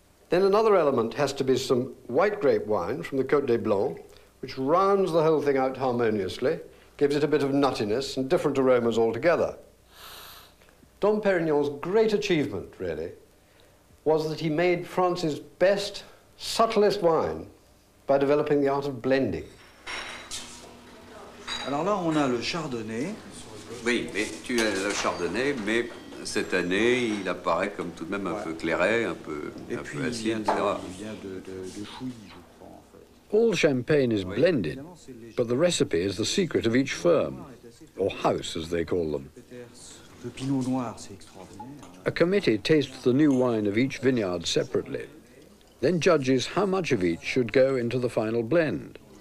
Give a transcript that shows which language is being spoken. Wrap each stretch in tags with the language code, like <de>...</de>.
<en>Then another element has to be some white grape wine from the Côte des Blancs, which rounds the whole thing out harmoniously, gives it a bit of nuttiness and different aromas altogether. Dom Pérignon's great achievement, really, was that he made France's best, subtlest wine by developing the art of blending.</en> <fr>Alors là, on a le chardonnay. Oui, mais tu as le chardonnay, mais cette année, il apparaît comme tout de même un peu clairé, un peu acide, etc. Il vient de Chouilly, je crois, en fait.</fr> <en>All champagne is blended, but the recipe is the secret of each firm, or house, as they call them.</en> <fr>Le pinot noir, c'est extraordinaire.</fr> <en>A committee tastes the new wine of each vineyard separately, then judges how much of each should go into the final blend.</en>